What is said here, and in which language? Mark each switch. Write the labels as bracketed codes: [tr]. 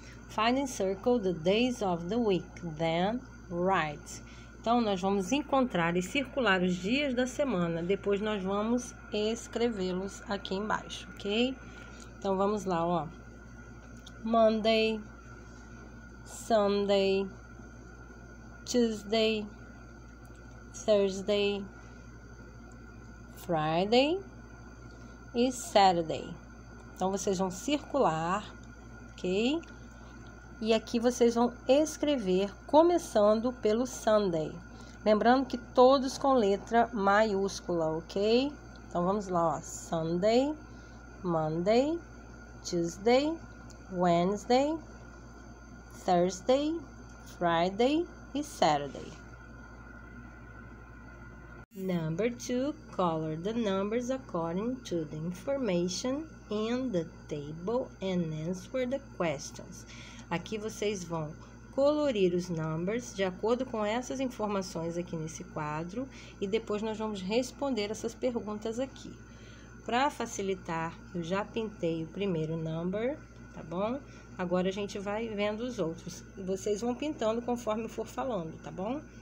[en] Find and circle the days of the week, then write. [pt] Então, nós vamos encontrar e circular os dias da semana. Depois, nós vamos escrevê-los aqui embaixo, ok? Então vamos lá, ó. Monday, Sunday, Tuesday, Thursday, Friday e Saturday. Então vocês vão circular, ok? E aqui vocês vão escrever começando pelo Sunday. Lembrando que todos com letra maiúscula, ok? Então vamos lá, ó. Sunday, Monday, Tuesday, Wednesday, Thursday, Friday e Saturday. [en] Number 2, color the numbers according to the information in the table and answer the questions. [pt] Aqui vocês vão colorir os numbers de acordo com essas informações aqui nesse quadro e depois nós vamos responder essas perguntas aqui. Para facilitar, eu já pintei o primeiro number, tá bom? Agora a gente vai vendo os outros. E vocês vão pintando conforme eu for falando, tá bom?